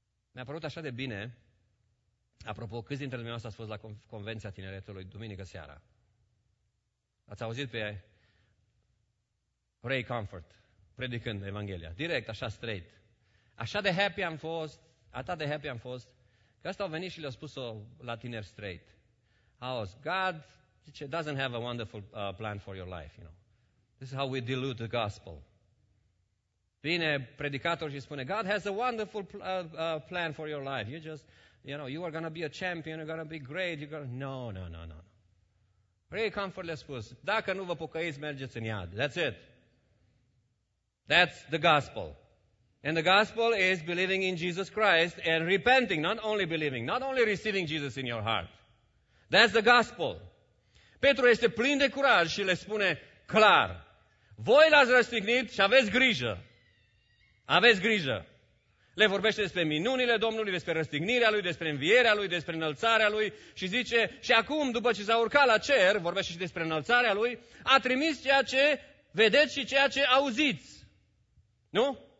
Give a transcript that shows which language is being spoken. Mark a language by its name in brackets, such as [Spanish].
[Romanian] Mi-a părut așa de bine, apropo, câți dintre dumneavoastră ați fost la Convenția Tineretului duminică seara? Ați auzit pe Ray Comfort, predicând Evanghelia, direct, așa, straight. Așa de happy am fost, atât de happy am fost, că ăsta au venit și le-au spus-o la tineri straight. [English] Auzi, God zice, doesn't have a wonderful plan for your life, you know. This is how we dilute the gospel. [Romanian] Vine predicator și spune, [English] God has a wonderful plan for your life. You just, you know, you are going to be a champion, you're going to be great. No. [Romanian] Ray Comfort le-a spus, dacă nu vă pocăiți, mergeți în iad. [English] That's it. That's the gospel. And the gospel is believing in Jesus Christ and repenting, not only believing, not only receiving Jesus in your heart. That's the gospel. [Romanian] Petru este plin de curaj și le spune clar. Voi l-ați răstignit și aveți grijă. Aveți grijă! Le vorbește despre minunile Domnului, despre răstignirea Lui, despre învierea Lui, despre înălțarea Lui și zice, și acum, după ce s-a urcat la cer, vorbește și despre înălțarea Lui, a trimis ceea ce vedeți și ceea ce auziți. Nu?